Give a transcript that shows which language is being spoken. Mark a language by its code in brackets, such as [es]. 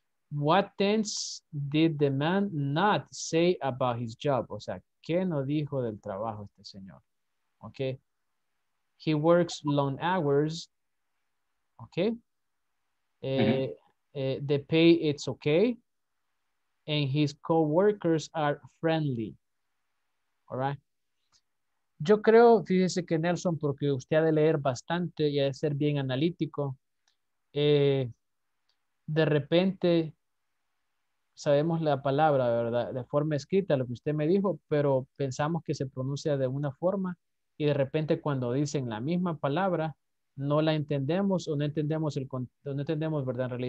[en] What tense did the man not say about his job? [es] O sea, ¿qué no dijo del trabajo este señor? [en] ¿Ok? He works long hours. ¿Ok? The pay is okay. And his co-workers are friendly. ¿Alright? [es] Yo creo, fíjese que Nelson, porque usted ha de leer bastante y ha de ser bien analítico, de repente sabemos la palabra, ¿verdad? De forma escrita, lo que usted me dijo, pero pensamos que se pronuncia de una forma y de repente cuando dicen la misma palabra, no la entendemos o no entendemos, ¿verdad?